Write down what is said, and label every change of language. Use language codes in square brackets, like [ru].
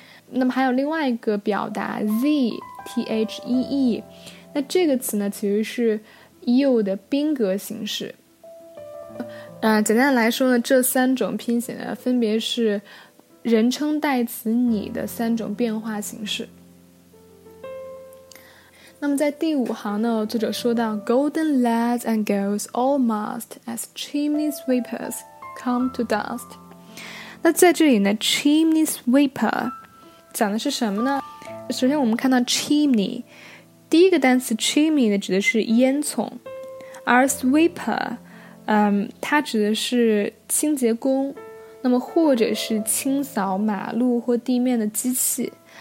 [zh] 那么还有另外一个表达 thee, t-h-e-e, 那这个词呢其实是 you 的宾格形式。简单来说呢，这三种拼写呢分别是人称代词你的三种变化形式。那么在第五行呢，作者说到 [en] Golden lads and girls all must as chimney sweepers come to dust。 [zh] 那在这里呢 chimney sweeper 讲的是什么呢？首先我们看到 chimney 第一个单词 chimney 呢指的是烟囱，而 sweeper 它指的是清洁工，那么或者是清扫马路或地面的机器。